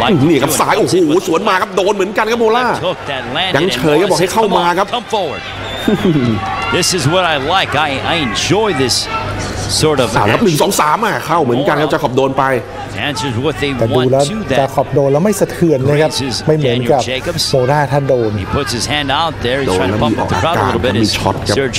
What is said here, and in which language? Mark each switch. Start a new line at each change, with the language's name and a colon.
Thai: นี่ยครับซ้ายโอ้โหสวนมาครับโดนเหมือนกันครับโมล่ายังเฉยก็บอกให้เข้ามาครับ
English: This is what I like I enjoy this sort of
Thai: ครับ1-2-3อ่ะเข้าเหมือนกันครับจะขอบโดนไป แต่ดูแล้วจะขอบโดนแล้วไม่สะเทือนนะครับไม่เหมือนกับโมล่าถ้าโดน โดนแล้วมีออกอาการมีช็อตครับ